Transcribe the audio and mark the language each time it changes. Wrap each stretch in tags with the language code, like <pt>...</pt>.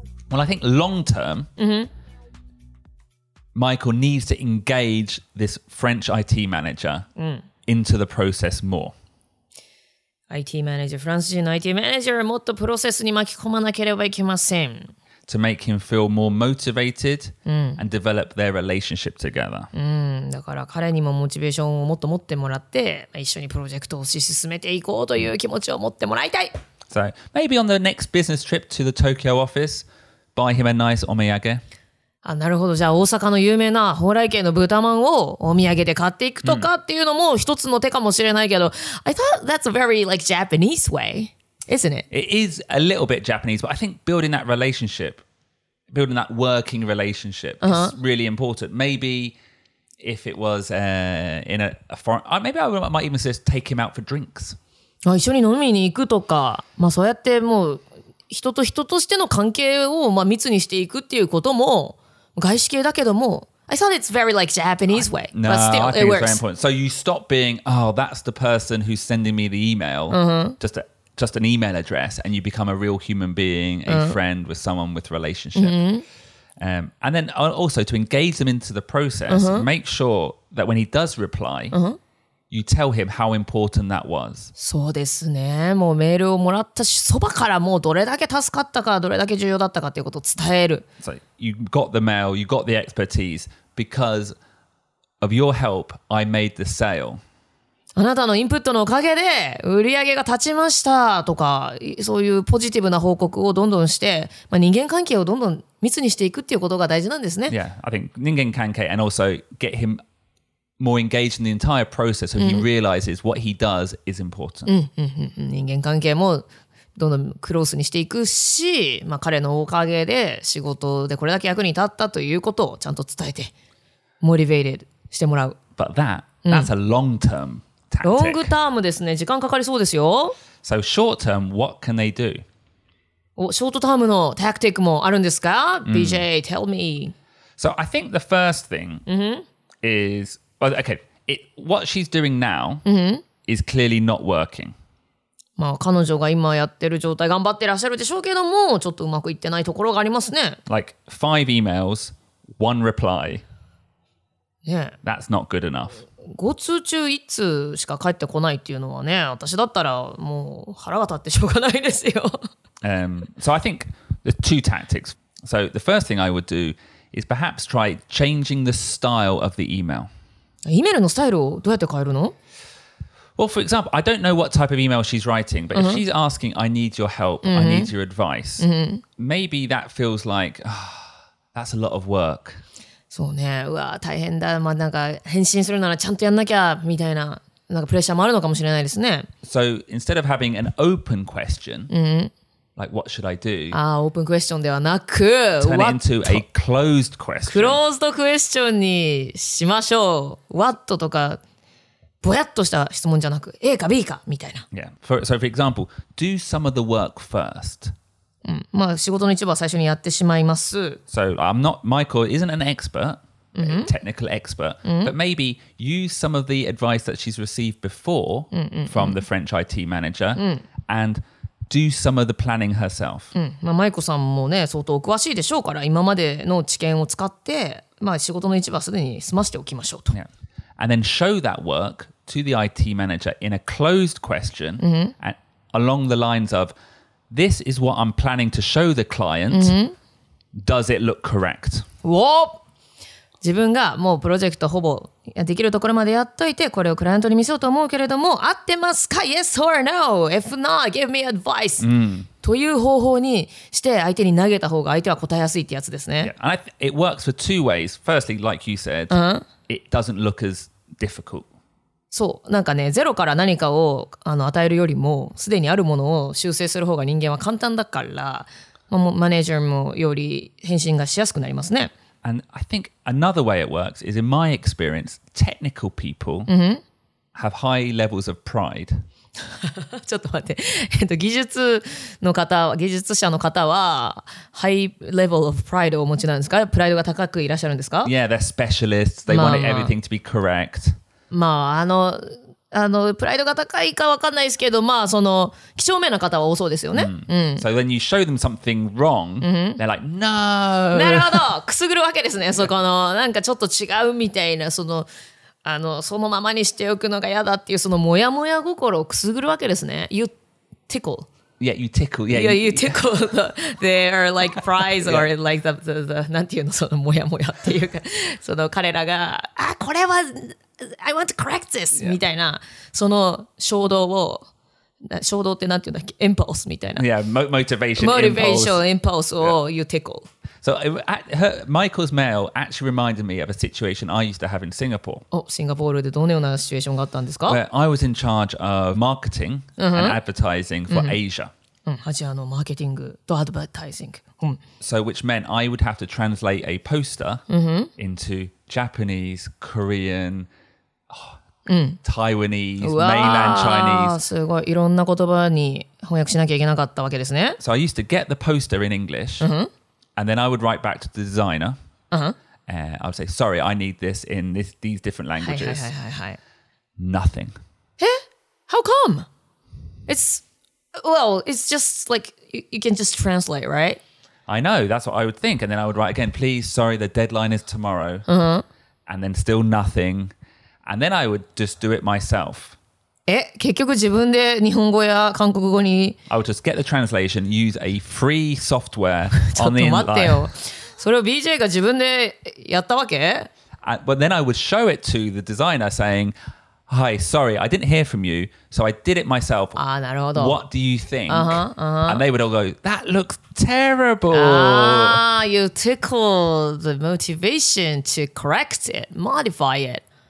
<en>Well, I think long term, Michael needs to engage this French IT manager into the process more. IT manager, France's IT manager,</en> <ja>もっとプロセスに巻き込まなければいけません。</ja> <en>To make him feel more motivated and develop their relationship together.</en> <ja>だから彼にもモチベーションをもっと持ってもらって、一緒にプロジェクトを推し進めていこうという気持ちを持ってもらいたい。</ja> <en>So, maybe on the next business trip to the Tokyo office, buy him a nice omiyage.</en> <ja>あ、なるほど。じゃあ大阪の有名な蓬莱軒の豚まんをお土産で買っていくとかっていうのも一つの手かもしれないけど、</ja> <en>I thought that's a very like Japanese way. Isn't it? It is a little bit Japanese, but I think building that relationship, building that working relationship is really important. Maybe if it was in a foreign... Maybe I might even say take him out for drinks.</en> <ja>一緒に飲みに行くとか、まあ、そうやってもう人と人としての関係をまあ密にしていくっていうことも外資系だけども</ja> <en>I thought it's very like Japanese way. No, but still, I think it works. It's very important. So you stop being, oh, that's the person who's sending me the email. Just an email address, and you become a real human being, a friend with someone with relationship. And then also to engage them into the process, make sure that when he does reply, you tell him how important that was.</en> <ja>そうですね。もうメールをもらったし、そばからもうどれだけ助かったか、どれだけ重要だったかということを伝える。</ja> <en>So you got the mail, you got the expertise, because of your help, I made the sale.</en> <ja>あなたのインプットのおかげで売り上げが立ちましたとかそういうポジティブな報告をどんどんして、まあ、人間関係をどんどん密にしていくっていうことが大事なんですね。</ja> <en>Yeah, I think 人間関係 and also get him more engaged in the entire process when he realizes what he does is important.</en> <ja>人間関係もどんどんクロースにしていくし、まあ、彼のおかげで仕事でこれだけ役に立ったということをちゃんと伝えてモリベイテッドしてもらう。</ja> <en>But that's a long term</en> <ja>ロングタームですね。時間かかりそうですよ。</ja> <en>So short term, what can they do?</en> <ja>お、ショートタームのタクティックもあるんですか ?</ja> <en>BJ, tell me. So I think the first thing is, well, okay, what she's doing now is clearly not working.</en> <ja>まあ彼女が今やってる状態頑張ってらっしゃるでしょうけども、ちょっとうまくいってないところがありますね。</ja> <en>Like five emails, one reply. Yeah. That's not good enough.</en> <ja>5通中1通しか返ってこないっていうのはね、私だったらもう腹が立ってしょうがないですよ。</ja> <en>So I think there's two tactics. So the first thing I would do is perhaps try changing the style of the email.</en> <ja>イメールのスタイルをどうやって変えるの?</ja> <en>Well, for example, I don't know what type of email she's writing, but if she's asking, I need your help, I need your advice, maybe that feels like, that's a lot of work.</en> <ja>そうね、うわ大変だ、まあ、なんか返信するならちゃんとやんなきゃみたい な, なんかプレッシャーもあるのかもしれないですね。</ja> <en>So instead of having an open question, like what should I do?</en> <ja>ああ、オープンクエスチョンではなく、</ja> <en>Turn it into a closed question.</en> <ja>クローズドクエスチョンにしましょう。 What とか、ぼやっとした質問じゃなく、A か B かみたいな。</ja> <en>Yeah. For example, do some of the work first.</en> <ja>まあ、仕事の一部は最初にやってしまいます。</ja> <en>So, I'm not, Michael isn't an expert, a technical expert, but maybe use some of the advice that she's received before from the French IT manager and do some of the planning herself.</en> <ja>まあ、マイコさんもね、相当詳しいでしょうから、今までの知見を使って、まあ、仕事の一部はすでに済ませておきましょうと。</ja> <en>Yeah. And then show that work to the IT manager in a closed question and along the lines of,This is what I'm planning to show the client. Does it look correct? Whoa!</en> <ja>自分がもうプロジェクトほぼできるところまでやっといて、これをクライアントに見せようと思うけれども、合ってますか ？</ja> <en>Yes or no? If not, give me advice.</en> <ja>という方法にして相手に投げた方が相手は答えやすいってやつですね。</ja> <en>Yeah. And it works for two ways. Firstly, like you said, it doesn't look as difficult.</en> <ja>そうなんかねゼロから何かをあの与えるよりもすでにあるものを修正する方が人間は簡単だから、まあ、マネージャーもより返信がしやすくなりますね。</ja> <en>And I think another way it works is in my experience technical people have high levels of pride.</en> <ja>ちょっと待って、技術の方技術者の方は</ja> <en>high level of pride</en> <ja>をお持ちなんですか？プライドが高くいらっしゃるんですか？</ja> <en>Yeah, they're specialists. They want everything to be correct.</en> <ja>まあ、あのあのプライドが高いか分かんないですけど、まあその几帳面な方は多そうですよね。</ja> <en>So when you show them something wrong, they're like, no!</en> <ja>なるほど、くすぐるわけですね。そこのなんかちょっと違うみたいな、そのあのそのままにしておくのが嫌だっていう、そのモヤモヤ心をくすぐるわけですね。</ja> <en>You tickle. Yeah, you tickle. Yeah, you tickle their like prize or like the</en> <ja>なんていうの、そのモヤモヤっていうか、その彼らがあこれは</ja> <en>I want to correct this、yeah.</en> <ja>みたいな、その衝動を、衝動ってなんていうんだっけ、impulse みたいな。</ja> <en>Yeah, motivation. Motivation, impulse, or、yeah. you tickle. So her, Michael's mail actually reminded me of a situation I used to have in Singapore.</en> <ja>Oh, Singapore, でどのようなシチュエーションがあったんですか?</ja> <en>Where I was in charge of marketing、uh-huh. and advertising for、uh-huh. Asia.</en> <ja>アジアのマーケティングとアドバタイシング。</ja> <en>So which meant I would have to translate a poster、uh-huh. into Japanese, Korean,、Taiwanese, mainland Chinese.</en> <ja>すごい、いろんな言葉に翻訳しなきゃいけなかったわけですね。</ja> <en>So I used to get the poster in English.、Uh-huh. And then I would write back to the designer.、Uh-huh. I would say, sorry, I need this in this, these different languages. Nothing. Eh? How come? It's, well, it's just like, you can just translate, right? I know, that's what I would think. And then I would write again, please, sorry, the deadline is tomorrow.、Uh-huh. And then still nothing. And then I would just do it myself.</en> <ja>え、結局自分で日本語や韓国語に</ja> <en>I would just get the translation, use a free software</en> <ja>ちょっと待ってよ。それを BJ が自分でやったわけ</ja> <en>But then I would show it to the designer saying, Hi, sorry, I didn't hear from you, so I did it myself.</en> <ja>あ、なるほど。</ja> <en>What do you think? Uh-huh, uh-huh. And they would all go, That looks terrible! You tickle the motivation to correct it, modify it.</en>